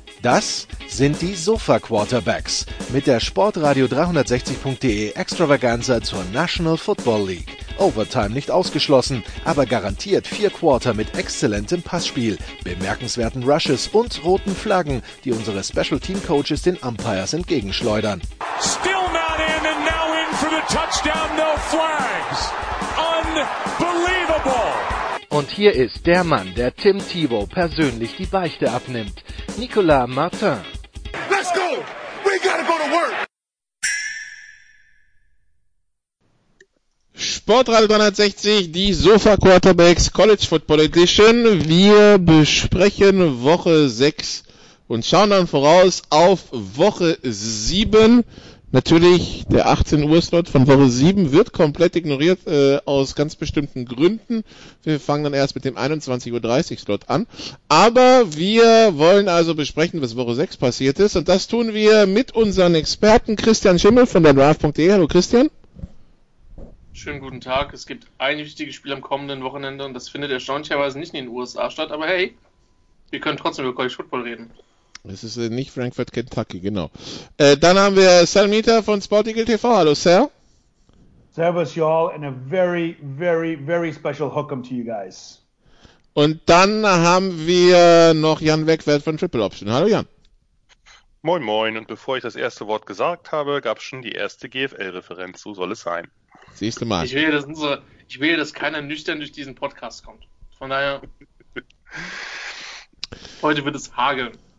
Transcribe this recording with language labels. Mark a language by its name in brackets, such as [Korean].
[German] Das sind die Sofa-Quarterbacks mit der Sportradio 360.de Extravaganza zur National Football League. Overtime nicht ausgeschlossen, aber garantiert vier Quarter mit exzellentem Passspiel, bemerkenswerten Rushes und roten Flaggen, die unsere Special Team Coaches den Umpires entgegenschleudern. [English] Still not in and now in for the touchdown, no flags. Unbelievable. [German] Und hier ist der Mann, der Tim Tebow persönlich die Beichte abnimmt. Nicolas Martin. [English] Let's go! We gotta go to work! [German] Sportradio 360, die Sofa Quarterbacks College Football Edition. Wir besprechen Woche 6 und schauen dann voraus auf Woche 7. Natürlich, der 18 Uhr Slot von Woche 7 wird komplett ignoriert, aus ganz bestimmten Gründen. Wir fangen dann erst mit dem 21.30 Uhr Slot an. Aber wir wollen also besprechen, was Woche 6 passiert ist. Und das tun wir mit unseren Experten Christian Schimmel von der Draft.de. Hallo Christian. Schönen guten Tag. Es gibt ein wichtiges Spiel am kommenden Wochenende und das findet erstaunlicherweise nicht in den USA statt. Aber hey, wir können trotzdem über College Football reden. Es ist nicht Frankfurt, Kentucky, genau. Dann haben wir Sal Mieter von Sportigel TV. Hallo, Sal. [English] Servus, y'all, and a very, very, very special Hook'em to you guys. [German] Und dann haben wir noch Jan Wegwert von Triple Option. Hallo, Jan. Moin, moin. Und bevor ich das erste Wort gesagt habe, gab es schon die erste GFL-Referenz. So soll es sein. Siehste mal. Ich will, dass keiner nüchtern durch diesen Podcast kommt. Von daher, heute wird es hageln.